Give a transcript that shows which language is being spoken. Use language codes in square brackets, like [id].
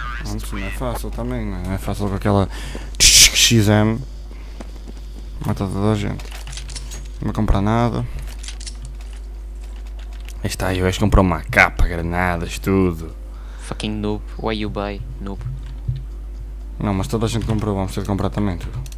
[pt] Antes, não é fácil também, não é? Não é fácil com aquela XM. Mata toda a gente. Não vou comprar nada. Aí está, eu acho que comprou uma capa, granadas, tudo. [en] Fucking noob, why you buy, noob? [pt] Não, mas toda a gente comprou, vamos ter de comprar também, tu.